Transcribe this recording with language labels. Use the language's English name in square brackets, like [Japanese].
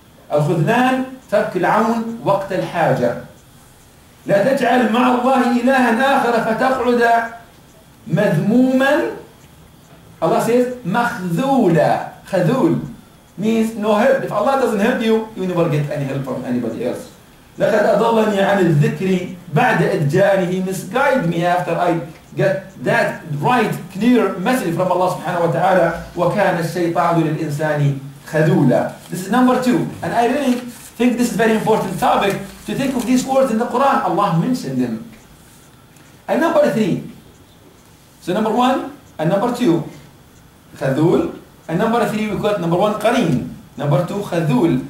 [Arabic] الخذلان ترك العون وقت الحاجة. لا تجعل مع الله إلها آخر فتقعد مذموما. [English] Allah says مخذولا. خذول means no help. If Allah doesn't help you, you never get any help from anybody else. [Arabic] لقد أضلني عن الذكر بعد إدجاني. [English] He misguided me after I get that right clear message from Allah سبحانه وتعالى. [Arabic] وكان الشيطان للإنسان خذولا. [English] This is number two, and I really think this is a very important topic to think of these words in the Quran. Allah mentioned them. And number three. So number one and number two, خذول. And number three we call it number one قرين. Number two خذول.